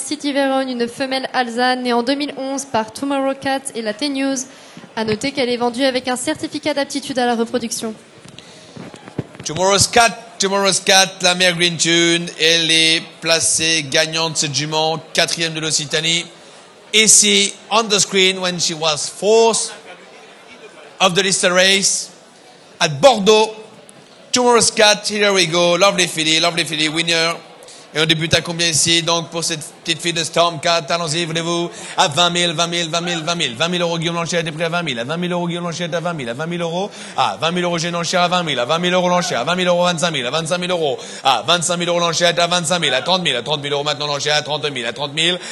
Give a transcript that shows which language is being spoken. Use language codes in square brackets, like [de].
[fr] City Veyron, une femelle alsane née en 2011 par Tomorrow Cat et la T-News. A noter qu'elle est vendue avec un certificat d'aptitude à la reproduction. Tomorrow's Cat. Tomorrow's Cat, la mère Green Tune, elle est placée gagnante cette jument, quatrième de l'Occitanie. [en] Ici, on the screen, when she was fourth of the Lister race, at Bordeaux. Tomorrow's Cat, here we go, lovely filly, winner. [fr] Et on débute à combien ici, donc, pour cette petite fille de Stormcat, allons-y, venez-vous, à 20 000 euros, Guillaume Lanchère était pris à 20 000, à 20 000 euros, Guillaume Lanchère était à 20 000, à 20 000 euros, à 20 000 euros, j'ai Lanchère à 20 000, à 20 000 euros, Lanchère, à 20 000 euros, 25 000, à 25 000 euros, à 25 000 euros, Lanchère était à 25 000, à 30 000, à 30 000 euros, maintenant Lanchère à 30 000, à 30 000,